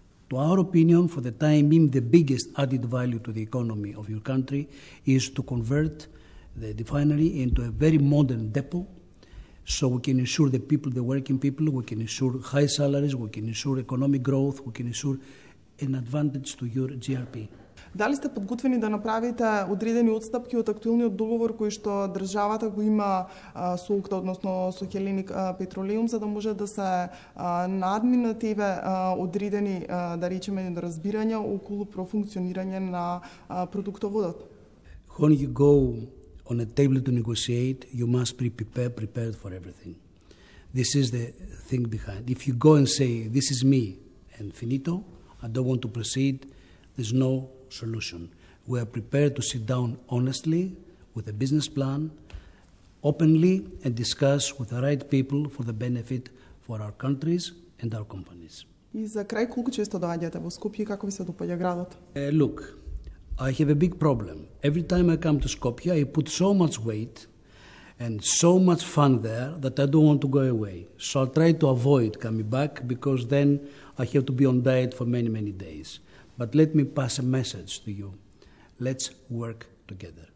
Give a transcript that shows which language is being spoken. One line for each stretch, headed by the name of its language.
English: To our opinion, for the time being, the biggest added value to the economy of your country is to convert the refinery into a very modern depot, so we can ensure the people, the working people, we can ensure high salaries, we can ensure economic growth, we can ensure an advantage to your GRP.
Macedonian: Дали сте подготвени да направите одредени отстапки од актуелниот договор кој што државата го има со Окта, односно со Хелиник Петролиум, за да може да се надминат еве одредени, да речеме, недоразбирања околу профункционирање на продуктоводот?
English: When you go on a table to negotiate, you must be prepared for everything. This is the thing behind. If you go and say, this is me and finito, I don't want to proceed, there's no solution. We are prepared to sit down honestly with a business plan, openly, and discuss with the right people for the benefit for our countries and our companies.
Macedonian: И за крај, колку често доаѓате во Скопје и како ви се допаѓа градот?
English: Look, I have a big problem. Every time I come to Skopje, I put so much weight and so much fun there that I don't want to go away. So I'll try to avoid coming back because then I have to be on diet for many, many days. But let me pass a message to you. Let's work together.